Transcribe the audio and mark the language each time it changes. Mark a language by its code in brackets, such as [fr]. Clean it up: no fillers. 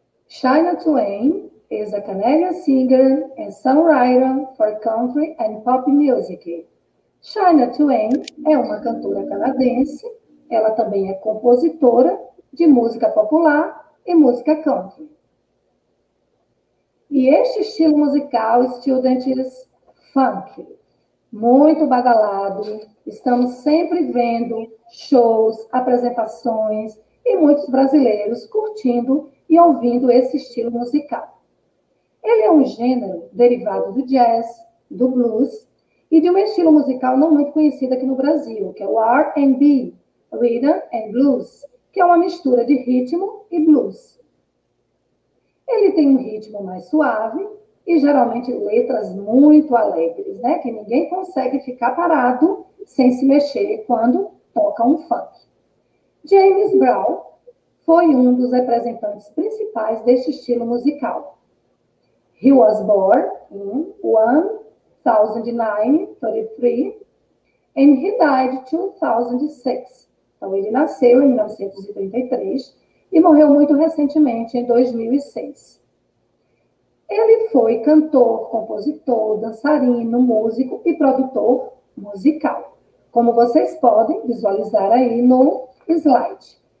[en] Shania Twain is a Canadian singer and songwriter for country and pop music. [pt] Shania Twain é uma cantora canadense. Ela também é compositora de música popular e música country. E este estilo musical, student is funk, muito badalado, estamos sempre vendo shows, apresentações e muitos brasileiros curtindo e ouvindo esse estilo musical. Ele é um gênero derivado do jazz, do blues e de um estilo musical não muito conhecido aqui no Brasil, que é o R&B, Rhythm and Blues, que é uma mistura de ritmo e blues. Ele tem um ritmo mais suave, e geralmente letras muito alegres, né? Que ninguém consegue ficar parado sem se mexer quando toca um funk. James Brown foi um dos representantes principais deste estilo musical. [en] He was born in 1933 and he died in 2006. [pt] Então ele nasceu em 1933 e morreu muito recentemente em 2006. Ele foi cantor, compositor, dançarino, músico e produtor musical. Como vocês podem visualizar aí no slide.